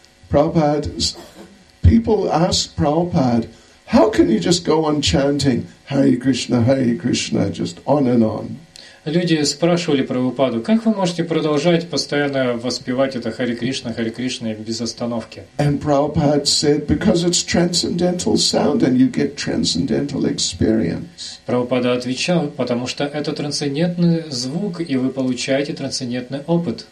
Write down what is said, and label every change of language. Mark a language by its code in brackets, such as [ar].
[en] People ask Prabhupada, how can you just go on chanting Hare Krishna, just on and on? [ru] Люди спрашивали Прабхупаду, как вы можете продолжать постоянно воспевать это Харе Кришна без остановки? [en] And Prabhupada said, because it's transcendental sound and you get transcendental experience. [ru] Прабхупада отвечал, потому что это трансцендентный звук и вы получаете трансцендентный опыт.